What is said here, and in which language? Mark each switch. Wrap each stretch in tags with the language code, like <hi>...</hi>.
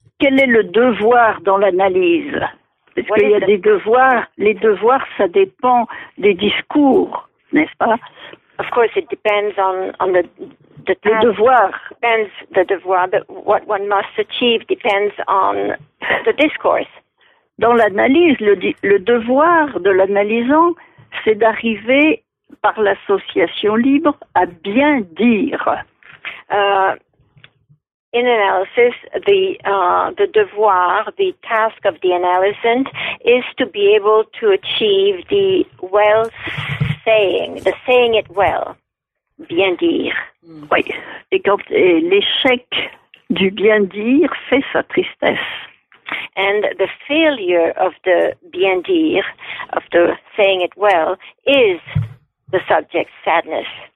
<fr>Quel est le devoir dans l'analyse? Parce qu'il y a des devoirs. Les devoirs, ça dépend des discours, n'est-ce pas?</fr> <en>Of course, it depends on the task.</en> <fr>Le devoir.</fr> <en>Depends the devoir. But what one must achieve depends on the discourse.</en> <fr>Dans l'analyse, le devoir de l'analysant, c'est d'arriver par l'association libre à bien dire.</fr> <en>In analysis, the devoir, the task of the analysant, is to be able to achieve the well saying, the saying it well, bien dire.</en> <fr>Mm. Oui. Et quand l'échec du bien dire fait sa tristesse.</fr> <en>And the failure of the bien dire, of the saying it well, is the subject's sadness.</en>